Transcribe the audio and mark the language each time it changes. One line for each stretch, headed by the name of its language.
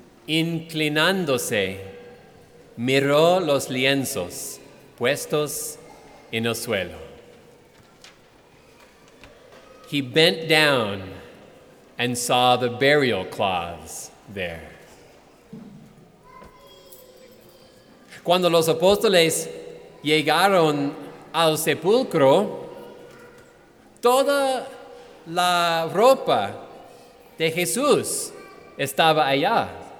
Spanish: Inclinándose, miró los lienzos puestos en el suelo.
English: He bent down and saw the burial cloths there.
Spanish: Cuando los apóstoles llegaron al sepulcro, toda la ropa de Jesús estaba allá.